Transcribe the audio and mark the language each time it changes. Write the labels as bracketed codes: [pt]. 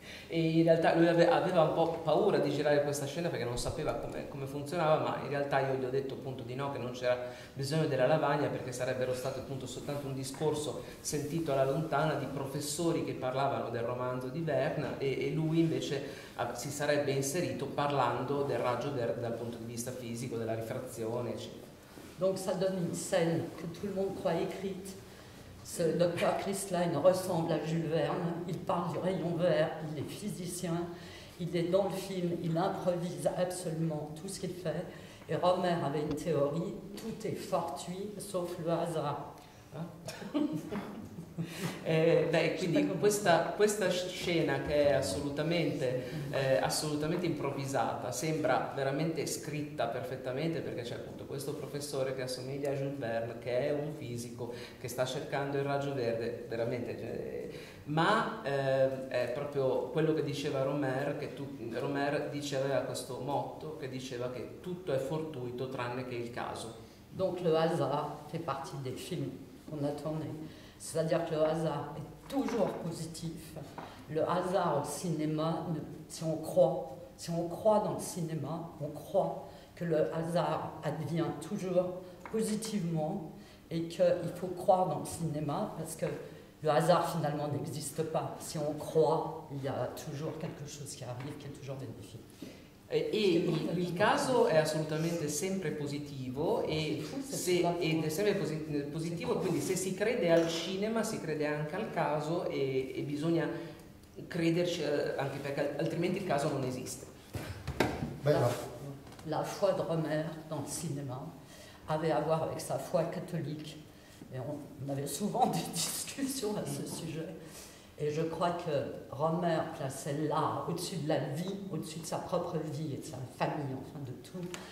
[fr] Et en réalité, [it] lui aveva un po' paura di girare questa scena perché non sapeva come funzionava, ma in realtà io gli ho detto appunto di no, che non c'era bisogno della lavagna perché sarebbero stato appunto soltanto un discorso sentito alla lontana di professori che parlavano del romanzo di Verne e lui invece si sarebbe inserito parlando del raggio verde dal punto di vista fisico, della rifrazione, eccetera. [fr] Donc ça donne une scène que tout le monde croit écrite. Ce docteur Christline ressemble à Jules Verne, il parle du rayon vert, il est physicien, il est dans le film, il improvise absolument tout ce qu'il fait. Et Romer avait une théorie, tout est fortuit sauf le hasard. [it] quindi questa scena che è assolutamente improvvisata sembra veramente scritta perfettamente perché c'è appunto questo professore che assomiglia a Jules Verne, che è un fisico che sta cercando il raggio verde veramente, ma è proprio quello che diceva Romer, che Romer diceva questo motto che diceva che tutto è fortuito tranne che il caso. [fr] Donc le hasard fait partie des films qu'on a tourné. C'est-à-dire que le hasard est toujours positif. Le hasard au cinéma, si on croit dans le cinéma, on croit que le hasard advient toujours positivement et qu'il faut croire dans le cinéma parce que le hasard finalement n'existe pas. Si on croit, il y a toujours quelque chose qui arrive, qui est toujours bénéfique. [it] E il caso è assolutamente sempre positivo ed è sempre positivo, quindi se si crede al cinema si crede anche al caso e bisogna crederci anche perché altrimenti il caso non esiste. [fr] La foi de Romer dans le cinéma avait à voir avec sa foi catholique et on avait souvent des discussions à ce sujet. Et je crois que Romer plaçait l'art au-dessus de la vie, au-dessus de sa propre vie et de sa famille, enfin de tout.